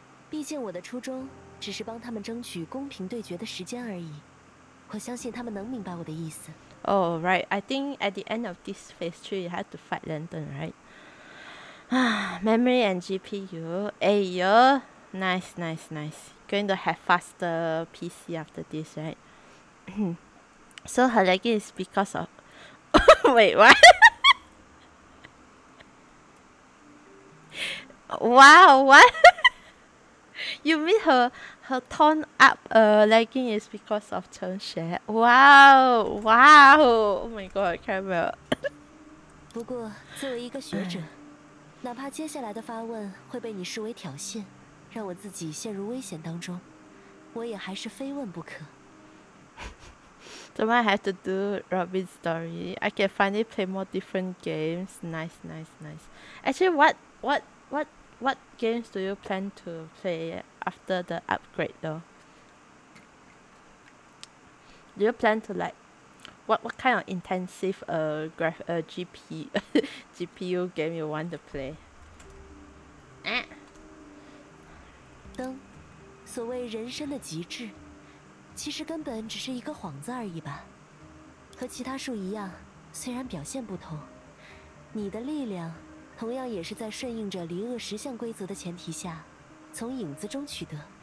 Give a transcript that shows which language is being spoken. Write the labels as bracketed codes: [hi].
[zh] 毕竟我的初衷只是帮他们争取公平对决的时间而已，我相信他们能明白我的意思。 [en] Oh right, I think at the end of this phase 3 you have to fight London, right? Memory and GPU. Ayo, nice, nice, nice. Going to have faster PC after this, right? So her lagging is because of. Wait, what? Wow, what? You mean her torn up lagging is because of Cheng Xue? Wow, wow. Oh my god, Carmel. [zh] 不过作为一个学者，哪怕接下来的发问会被你视为挑衅，让我自己陷入危险当中，我也还是非问不可。 [en] Do I have to do Robin's story? I can finally play more different games. Nice, nice, nice. Actually, what games do you plan to play after the upgrade though? Do you plan to like what kind of intensive GPU game you want to play? [zh] 灯，所谓人生的极致，其实根本只是一个幌子而已吧。和其他树一样，虽然表现不同，你的力量同样也是在顺应着离厄实相规则的前提下从影子中取得。